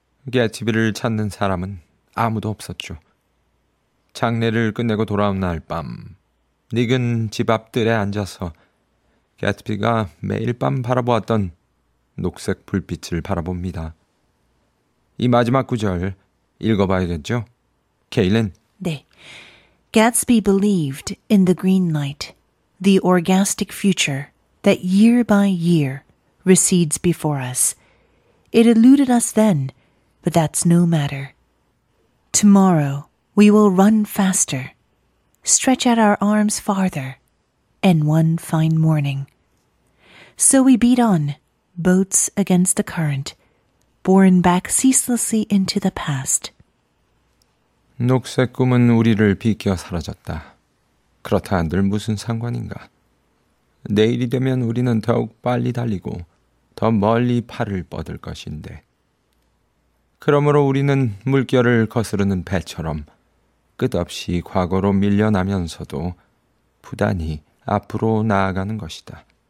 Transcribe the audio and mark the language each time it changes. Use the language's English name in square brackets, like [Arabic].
[Korean] 게츠비를 찾는 사람은 아무도 없었죠. 장례를 끝내고 돌아온 날 밤, 닉은 집 앞 뜰에 앉아서 게츠비가 매일 밤 바라보았던 녹색 불빛을 바라봅니다. 이 마지막 구절 읽어봐야겠죠? 케일린. 네. [English] Gatsby believed in the green light, the orgastic future that year by year recedes before us. It eluded us then, but that's no matter. Tomorrow we will run faster, stretch out our arms farther, and one fine morning. So we beat on, boats against the current, borne back ceaselessly into the past. [Korean] 녹색 꿈은 우리를 비껴 사라졌다. 그렇다 한들 무슨 상관인가. 내일이 되면 우리는 더욱 빨리 달리고 더 멀리 팔을 뻗을 것인데. 그러므로 우리는 물결을 거스르는 배처럼 끝없이 과거로 밀려나면서도 부단히 앞으로 나아가는 것이다.